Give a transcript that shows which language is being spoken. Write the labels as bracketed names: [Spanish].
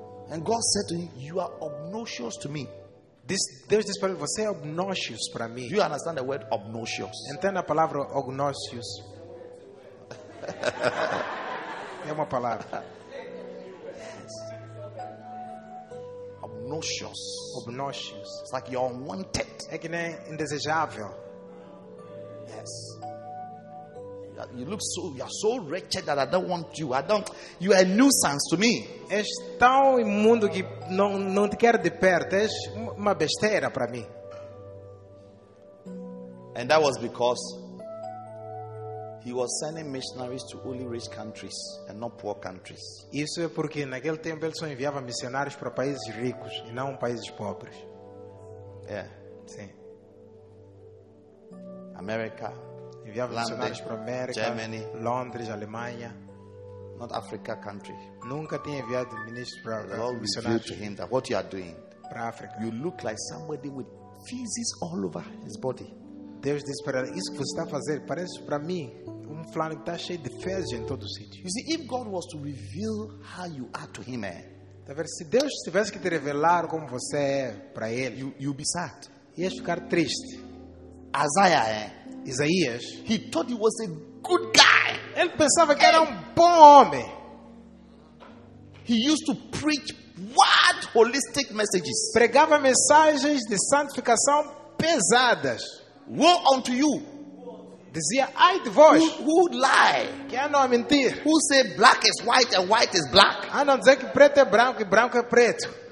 [English] And God said to him, "You are obnoxious to me." [Portuguese] Deus disse para ele, você é obnoxious para mim. [English] You understand the word obnoxious? [Portuguese] Entenda a palavra obnoxious. É uma palavra. [English] Obnoxious. Obnoxious. It's like you're unwanted. [Portuguese] É que nem indesejável. [English] Yes. You look so, you are so wretched that I don't want you. I don't, you are a nuisance to me. [Portuguese] És tão imundo que não te quero de perto. És uma besteira para mim. [English] And that was because he was sending missionaries to only rich countries and not poor countries. [Portuguese] Isso é porque naquele tempo ele só enviava missionários para países ricos e não países pobres. [English] Yeah. [Portuguese] Sim. [English] America. [Portuguese] Enviava missionários para América, [English] Germany, [Portuguese] Londres, Alemanha, [English] not Africa country. [Portuguese] Nunca tinha enviado ministros para missionários. [English] To him that what you are doing. [Portuguese] Para África. [English] You look like somebody with feces all over his body. [Portuguese] Deus disse para ele, isso que você está fazendo parece para mim um flanco que está cheio de fezes em todo o sítio. [English] You see, if God was to reveal how you are to him, [Portuguese] se Deus tivesse que te revelar como você é para ele, [English] you'll be sad. [Portuguese] Ias ficar triste. [English] Isaiah, [Portuguese] Isaías, [English] he thought he was a good guy. [Portuguese] Ele pensava que era um bom homem. [English] He used to preach what holistic messages. [Portuguese] Pregava mensagens de santificação pesadas. [English] Woe unto you. [Portuguese] Dizia, ai de vós. [English] Who lie? [Portuguese] Quem não é mentir? [English] Who say black is white and white is black? [Portuguese] Ah, não dizer que preto é branco e branco é preto.